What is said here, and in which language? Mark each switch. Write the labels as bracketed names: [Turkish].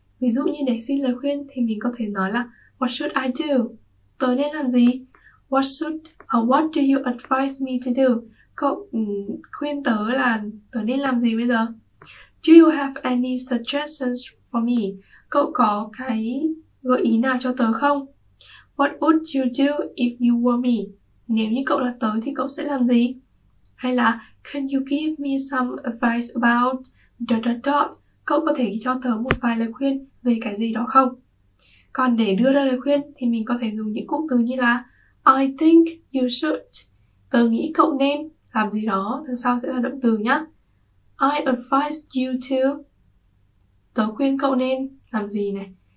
[Vietnamese] Ví dụ như để xin lời khuyên thì mình có thể nói là [English] What should I do? [Vietnamese] Tớ nên làm gì? [English] What do you advise me to do? [Vietnamese] Cậu khuyên tớ là tớ nên làm gì bây giờ? [English] Do you have any suggestions for me? [Vietnamese] Cậu có cái gợi ý nào cho tớ không? [English] What would you do if you were me? [Vietnamese] Nếu như cậu là tớ thì cậu sẽ làm gì? Hay là [English] can you give me some advice about dot dot dot? [Vietnamese] Cậu có thể cho tớ một vài lời khuyên về cái gì đó không? Còn để đưa ra lời khuyên thì mình có thể dùng những cụm từ như là [English] I think you should. [Vietnamese] Tớ nghĩ cậu nên làm gì đó, đằng sau sẽ là động từ nhá. [English] I advise you to. [Vietnamese] Tớ khuyên cậu nên làm gì này.